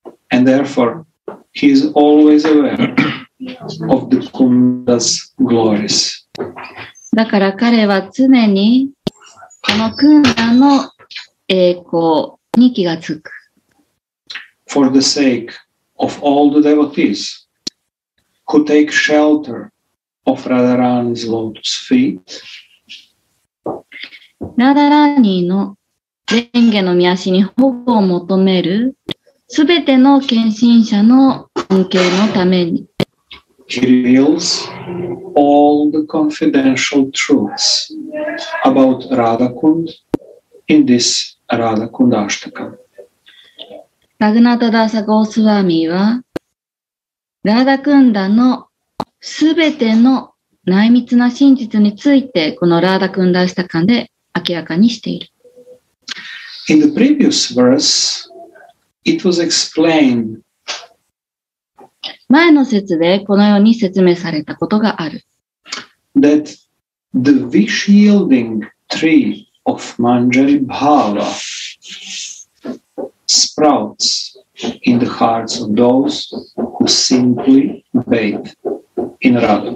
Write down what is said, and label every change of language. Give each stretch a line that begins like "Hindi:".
English: And therefore, he is always aware of the Kunda's glories.
Japanese: だから彼は常にこのクンダの栄光に気がつく。
English: For the sake of all the devotees who take shelter of Radharani's lotus feet.
Japanese: ラダラーニの蓮華の御足に保護を求めるすべての献身者の恩恵のために。
English: He reveals all the confidential truths about Radha Kund in this Radha Kundashtaka.
Japanese: Raghunatha Dasa Goswami は、Radha Kunda のすべての内密な真実について、この Radha Kundashtaka で明らかにしている。
English: In the previous verse, it was explained.
Japanese: 前の節でこのように説明されたことがある。
English: That the wish-yielding tree of Manjari Bhava sprouts in the hearts of those who simply bathe in Radha